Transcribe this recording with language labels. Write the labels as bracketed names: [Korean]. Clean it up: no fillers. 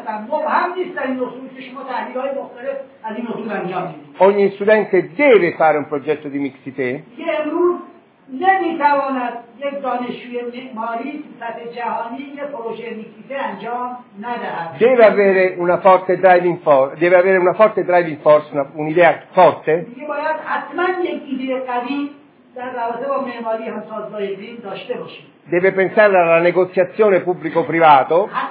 [Italian] Ogni studente deve fare un progetto di mixité [Persian] نمیتواند یک دانشجوی معماری سطح جهانی یک پروژه میکیسه انجام ندهد. [Italian] Deve avere una forte driving force, deve avere una forte driving force, un'idea forte. [Persian] دیگه باید حتما یک ایده قوی در رابطه با معماری همسازگاری بریم داشته باشیم. [Italian] Deve pensare alla negoziazione pubblico-privato.